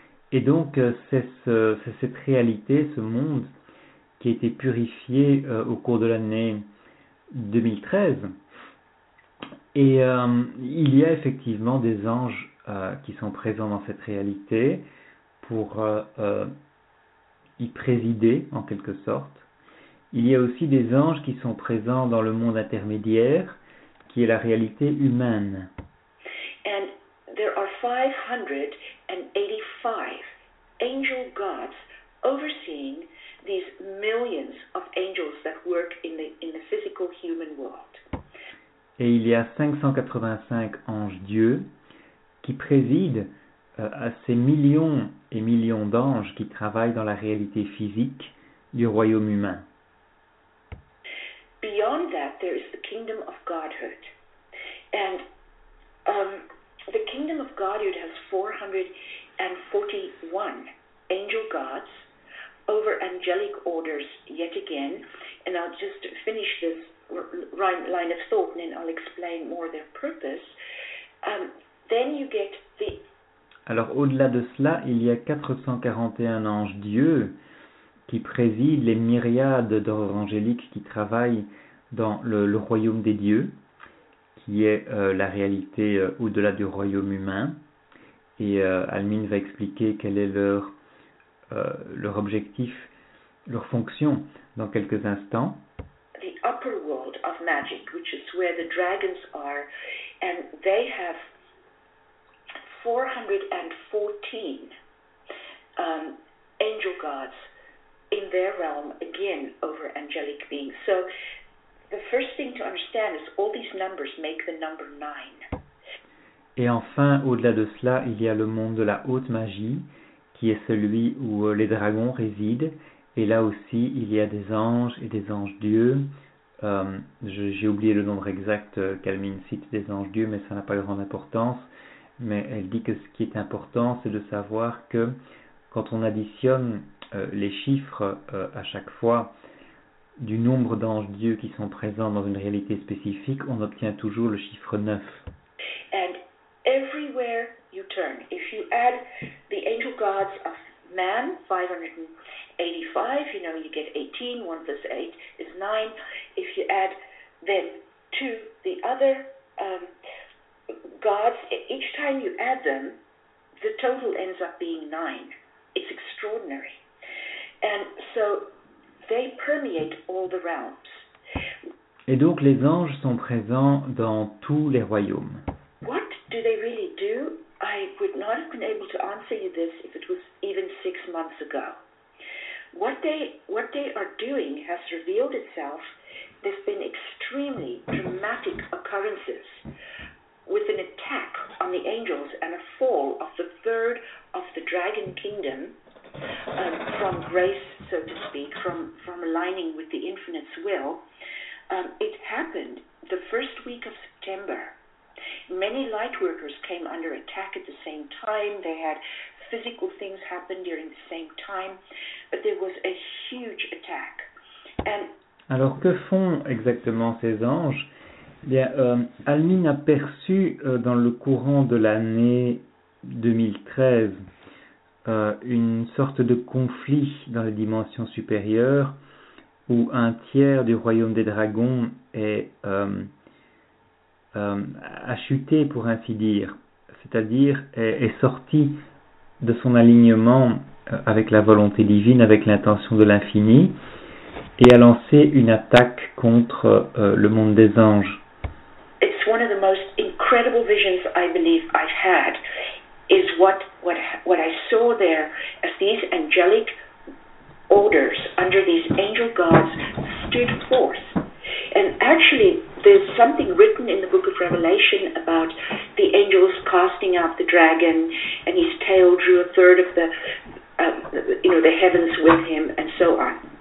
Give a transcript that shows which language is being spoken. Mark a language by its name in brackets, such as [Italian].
[French] Et donc, c'est cette réalité, ce monde, qui a été purifié au cours de l'année 2013. Et il y a effectivement des anges qui sont présents dans cette réalité pour y présider en quelque sorte. Il y a aussi des anges qui sont présents dans le monde intermédiaire, qui est la réalité humaine. [English] And there are 585 angel gods overseeing these millions of angels that work in the physical human world. [French] Et il y a 585 anges dieux qui président à ces millions et millions d'anges qui travaillent dans la réalité physique du royaume humain. [English] Beyond that, there is the kingdom of Godhood. And the kingdom of Godhood has 441 angel gods over angelic orders yet again. And I'll just finish this line of thought and then I'll explain more their purpose. Then you get the... [French] Alors au-delà de cela, il y a 441 anges dieux qui président les myriades d'ordres angéliques qui travaillent dans le royaume des dieux, qui est la réalité au-delà du royaume humain. Et Almine va expliquer quel est leur objectif, leur fonction dans quelques instants. [English] The upper world of magic, which is where the dragons are, and they have 414 angel gods in their realm, again, over angelic beings. So the first thing to understand is all these numbers make the number 9. [French] Et enfin, au-delà de cela, il y a le monde de la haute magie, qui est celui où les dragons résident. Et là aussi, il y a des anges et des anges-dieux. J'ai oublié le nombre exact qu'Almine cite des anges-dieux, mais ça n'a pas grande importance. Mais elle dit que ce qui est important, c'est de savoir que quand on additionne les chiffres à chaque fois du nombre d'anges dieux qui sont présents dans une réalité spécifique, on obtient toujours le chiffre 9. [English] And everywhere you turn, if you add the angel gods of man, 585, you know, you get 18, 1 plus 8 is 9. If you add them to the other gods, each time you add them, the total ends up being 9. It's extraordinary. And so they permeate all the realms. [French] Et donc les anges sont présents dans tous les royaumes. [English] What do they really do? I would not have been able to answer you this if it was even 6 months ago. What they are doing has revealed itself. There's been extremely dramatic occurrences with an attack on the angels and a fall of the third of the dragon kingdom from grace, so to speak, from aligning with the infinite's will. It happened the first week of September. Many light workers came under attack at the same time. They had physical things happen during the same time. But there was a huge attack. And [French] alors que font exactement ces anges? Bien, Almine a perçu dans le courant de l'année 2013 une sorte de conflit dans les dimensions supérieures où un tiers du royaume des dragons est a chuté, pour ainsi dire, c'est-à-dire est sorti de son alignement avec la volonté divine, avec l'intention de l'infini, et a lancé une attaque contre le monde des anges. [English] One of the most incredible visions I believe I've had is what I saw there as these angelic orders under these angel gods stood forth. And actually, there's something written in the book of Revelation about the angels casting out the dragon, and his tail drew a third of the the heavens with him, and so on.